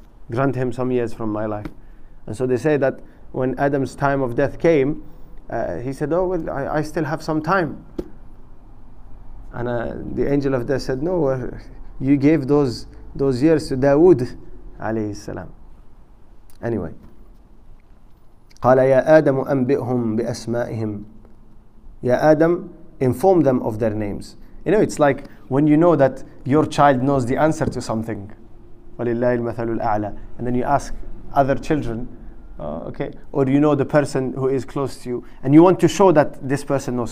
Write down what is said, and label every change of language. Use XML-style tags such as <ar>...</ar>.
<en>Grant him some years from my life. And so they say that when Adam's time of death came, he said, oh, well, I still have some time. And the angel of death said, no, you gave those years to Dawood, alayhi salam. Anyway,</en> <ar>قال يا آدم أنبئهم بأسمائهم. يا آدم,</ar> <en>inform them of their names. You know, it's like when you know that your child knows the answer to something.</en> <ar>وَلِلَّهِ الْمَثَلُ الْأَعْلَى.</ar> <en>And then you ask other children, okay, or you know the person who is close to you, and you want to show that this person knows.</en>